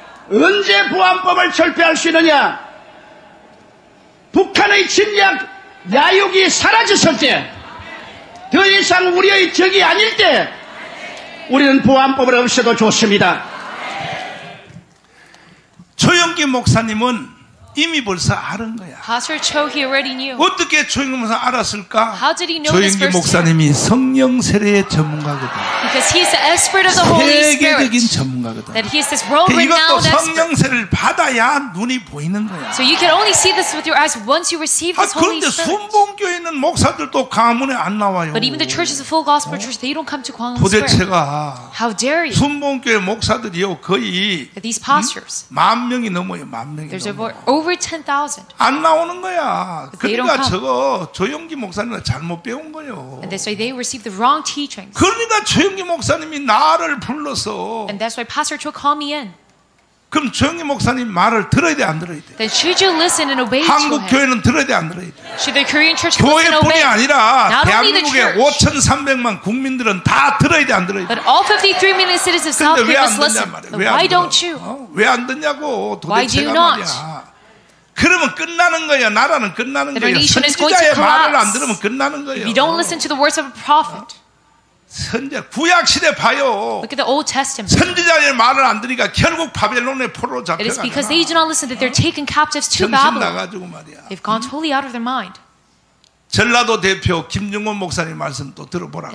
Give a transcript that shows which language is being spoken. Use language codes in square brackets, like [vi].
[ko] 언제 보안법을 철폐할 수 있느냐? 북한의 침략 야욕이 사라졌을 때, 더 이상 우리의 적이 아닐 때 우리는 보안법을 없애도 좋습니다. 조영기 목사님은 이미 벌써 아는 거야. [en] Pastor Cho, he already knew. [ko] 어떻게 조영기 목사 알았을까? [en] How did he know? [ko] 조영기 목사님이 성령 세례의 전문가거든. [en] Because he's the expert of the Holy Spirit. [ko] 세계적인 전문가거든. [en] That he's this world-renowned expert. [ko] 이것도 성령 세례를 받아야 눈이 보이는 거야. [en] So you can only see this with your eyes once you receive this Holy Spirit. [ko] 그런데 순봉교회 있는 목사들도 강화문에 안 나와요. [en] But even the churches of full gospel church, they don't come to Gwanghwamun [ko] Square. 도대체가 [en] How dare you? [ko] 순봉교회 목사들이요 거의 [en] These pastors. [ko] 만 명이 넘어요, 만 명이 넘어. [en] Over 10,000. [ko] 안 나오는 거야. 그러니까 저거 조영기 목사님은 잘못 배운 거요. [en] And that's why they received the wrong teachings. [ko] 그러니까 조영기 목사님이 나를 불러서. [en] And that's why Pastor Cho called me in. [ko] 그럼 조영기 목사님 말을 들어야 돼, 안 들어야 돼? [en] Then should you listen and obey? [ko] 한국 교회는 들어야 돼, 안 들어야 돼? [en] Should the Korean church [ko] 교회뿐이 아니라 대한민국의 5,300만 국민들은 다 들어야 돼, 안 들어야 돼? [en] But all 53 million citizens of South Korea must listen. Why don't you? [ko] 왜 안 듣냐고 도대체 말이야. 그러면 끝나는 거야. 나라는 끝나는 거야. 선지자의 말을 안 들으면 끝나는 거야. [en] If you don't listen to the words of a prophet. [ko] 선지자 구약 시대 봐요. [en] Look at the Old Testament. [ko] 선지자의 말을 안 들으니까 결국 바벨론에 포로 잡혀가. [en] It is because they do not listen that they're taken captives to Babylon. [ko] 정신 나가지고 말이야. [en] They've gone totally out of their mind. [ko] 전라도 대표 김중원 목사님 말씀 또 들어보라.